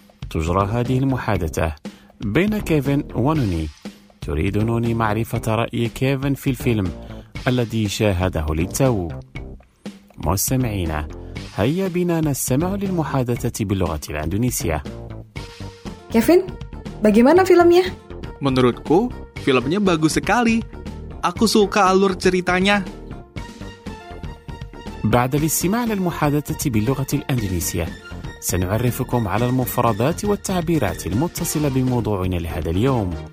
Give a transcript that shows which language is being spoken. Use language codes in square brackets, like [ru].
[ar] تجرى هذه المحادثة بين كيفن ونوني. تريد نوني معرفة رأي كيفن في الفيلم الذي شاهده للتو. مستمعينا، هيا بنا نستمع للمحادثة باللغة الأندونيسية. كيفن، [id] bagaimana filmnya? Menurutku, filmnya bagus sekali. Aku suka alur ceritanya. [ar] بعد الاستماع للمحادثة باللغة الأندونيسية، سنعرفكم على المفردات والتعبيرات المتصلة بموضوعنا لهذا اليوم.